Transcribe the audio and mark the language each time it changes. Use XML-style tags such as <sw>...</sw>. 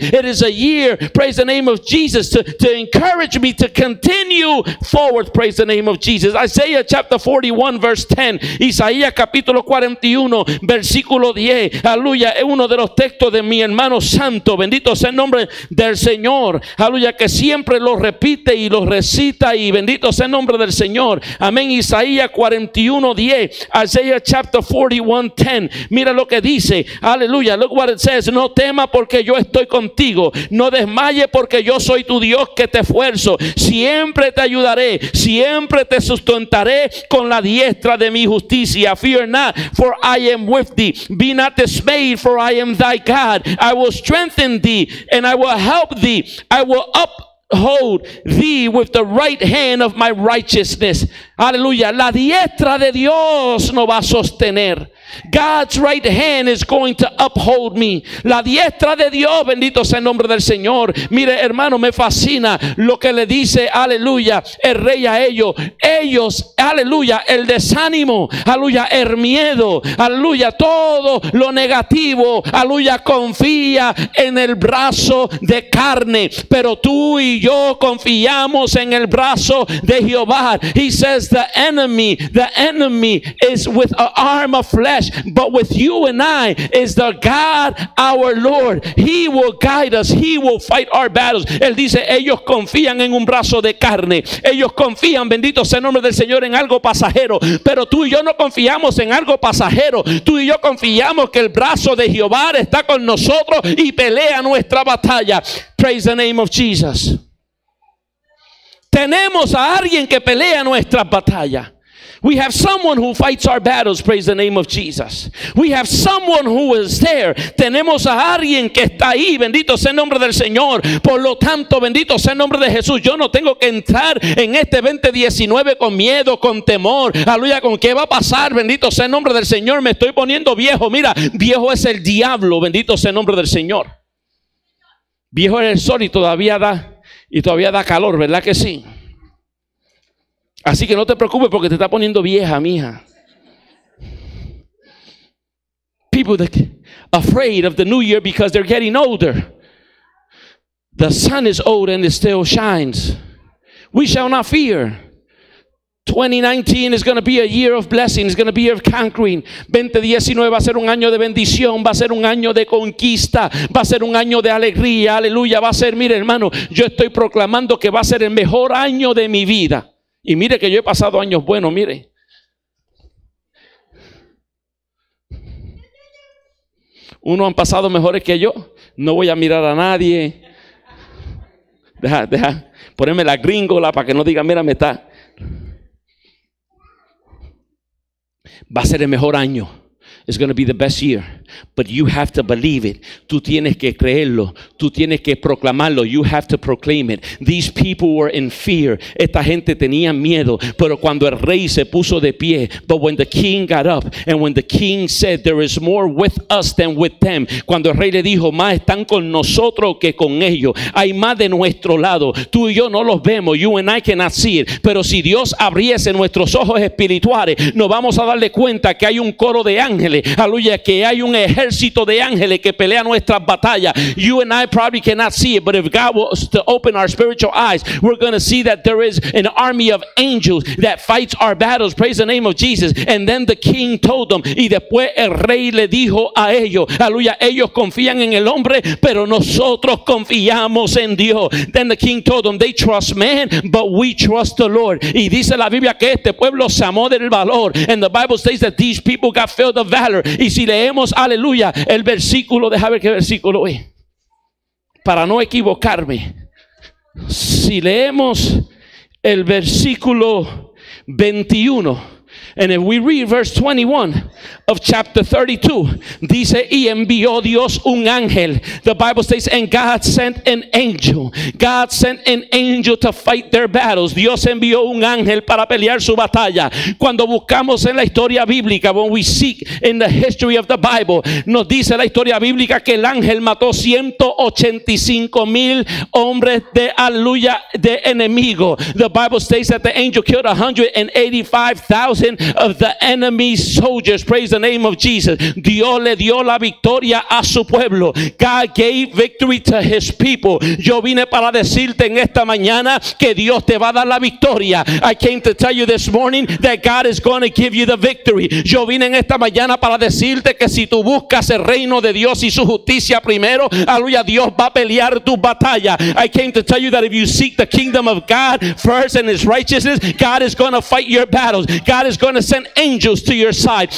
<en>It is a year, praise the name of Jesus, to encourage me to continue forward, praise the name of Jesus. Isaiah chapter 41 verse 10.</en> <es>Isaías capítulo 41 versículo 10. Aleluya, es uno de los textos de mi hermano santo, bendito sea el nombre del Señor, aleluya, que siempre lo repite y lo recita, y bendito sea el nombre del Señor, amén. Isaías 41:10,</es> <en>Isaiah chapter 41:10,</en> <es>mira lo que dice, aleluya,</es> <en>look what it says,</en> <es>no temas porque yo estoy contigo, no desmaye porque yo soy tu Dios que te esfuerzo, siempre te ayudaré, siempre te sustentaré con la diestra de mi justicia.</es> <en>Fear not, for I am with thee, be not dismayed, for I am thy God. I will strengthen thee and I will help thee. I will uphold thee with the right hand of my righteousness.</en> <es>Aleluya. La diestra de Dios no va a sostener.</es> <en>God's right hand is going to uphold me.</en> <es>La diestra de Dios, bendito sea el nombre del Señor. Mire, hermano, me fascina lo que le dice, aleluya, el rey a ellos. Ellos, aleluya, el desánimo, aleluya, el miedo, aleluya, todo lo negativo, aleluya, confía en el brazo de carne. Pero tú y yo confiamos en el brazo de Jehová.</es> <en>He says the enemy is with an arm of flesh. But with you and I is the God, our Lord. He will guide us. He will fight our battles.</en> <es>Él dice, ellos confían en un brazo de carne. Ellos confían, bendito sea el nombre del Señor, en algo pasajero. Pero tú y yo no confiamos en algo pasajero. Tú y yo confiamos que el brazo de Jehová está con nosotros y pelea nuestra batalla.</es> <en>Praise the name of Jesus.</en> <es>Tenemos a alguien que pelea nuestra batalla.</es> <en>We have someone who fights our battles, praise the name of Jesus. We have someone who is there.</en> <es>Tenemos a alguien que está ahí, bendito sea el nombre del Señor. Por lo tanto, bendito sea el nombre de Jesús. Yo no tengo que entrar en este 2019 con miedo, con temor. Aleluya, ¿con qué va a pasar? Bendito sea el nombre del Señor. Me estoy poniendo viejo. Mira, viejo es el diablo, bendito sea el nombre del Señor. Viejo es el sol y todavía da calor, ¿verdad que sí? Así que no te preocupes porque te está poniendo vieja, mija.</es> <en>People that are afraid of the new year because they're getting older. The sun is old and it still shines. We shall not fear. 2019 is going to be a year of blessing. It's going to be a year of conquering.</en> <es>2019 va a ser un año de bendición. Va a ser un año de conquista. Va a ser un año de alegría. Aleluya. Va a ser, mire hermano, yo estoy proclamando que va a ser el mejor año de mi vida. Y mire que yo he pasado años buenos, mire. Uno han pasado mejores que yo. No voy a mirar a nadie. Deja. Ponerme la gringola para que no diga, mira, me está. Va a ser el mejor año.</es> <en>It's going to be the best year. But you have to believe it.</en> <es>Tú tienes que creerlo. Tú tienes que proclamarlo.</es> <en>You have to proclaim it. These people were in fear.</en> <es>Esta gente tenía miedo. Pero cuando el rey se puso de pie.</es> <en>But when the king got up. And when the king said, there is more with us than with them.</en> <es>Cuando el rey le dijo, más están con nosotros que con ellos. Hay más de nuestro lado. Tú y yo no los vemos.</es> <en>You and I cannot see it.</en> <es>Pero si Dios abriese nuestros ojos espirituales, nos vamos a darle cuenta que hay un coro de ángeles. Aleluya, que hay un ejército de ángeles que pelea nuestras batallas.</es> <en>You and I probably cannot see it, but if God was to open our spiritual eyes, we're going to see that there is an army of angels that fights our battles. Praise the name of Jesus. And then the king told them,</en> <es>y después el rey le dijo a ellos, aleluya, ellos confían en el hombre, pero nosotros confiamos en Dios.</es> <en>Then the king told them, they trust man, but we trust the Lord.</en> <es>Y dice la Biblia que este pueblo se amó del valor.</es> <en>And the Bible says that these people got filled of valor.</en> <es>Y si leemos, aleluya, el versículo, deja ver qué versículo es, para no equivocarme. Si leemos el versículo 21,</es> <en>And if we read verse 21 of chapter 32,</en> <es>dice, y envió Dios un ángel.</es> <en>The Bible says, and God sent an angel. God sent an angel to fight their battles.</en> <es>Dios envió un ángel para pelear su batalla. Cuando buscamos en la historia bíblica,</es> <en>when we seek in the history of the Bible,</en> <es>nos dice la historia bíblica que el ángel mató 185 mil hombres de aleluya de enemigo.</es> <en>The Bible states that the angel killed 185,000 of the enemy's soldiers. Praise the name of Jesus.</en> <es>Dios le dio la victoria a su pueblo.</es> <en>God gave victory to his people.</en> <es>Yo vine para decirte en esta mañana que Dios te va a dar la victoria.</es> <en>I came to tell you this morning that God is going to give you the victory.</en> <es>Yo vine en esta mañana para decirte que si tú buscas el reino de Dios y su justicia primero, aleluya, Dios va a pelear tu batalla.</es> <en>I came to tell you that if you seek the kingdom of God first and his righteousness, God is going to fight your battles. God is going to send angels to your side.</en>